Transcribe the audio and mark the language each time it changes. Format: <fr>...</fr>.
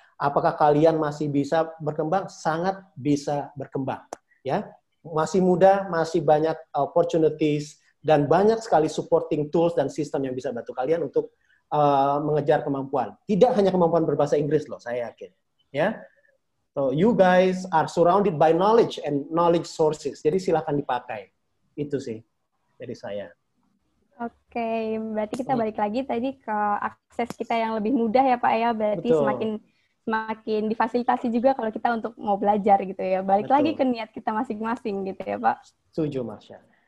<id>Apakah kalian masih bisa berkembang? Sangat bisa berkembang ya. Masih muda, masih banyak opportunities dan banyak sekali</id> <en>supporting tools</en> <id>dan sistem yang bisa bantu kalian untuk mengejar kemampuan. Tidak hanya kemampuan berbahasa Inggris loh, saya yakin. Ya.</id> <en>So you guys are surrounded by knowledge and knowledge sources.</en> <id>Jadi silakan dipakai. Itu sih dari saya. Oke, berarti kita balik lagi tadi ke akses kita yang lebih mudah ya Pak ya. Berarti betul. semakin difasilitasi juga kalau kita untuk mau belajar gitu ya. Balik betul. Lagi ke niat kita masing-masing gitu ya Pak. Setuju, Marsha.</id>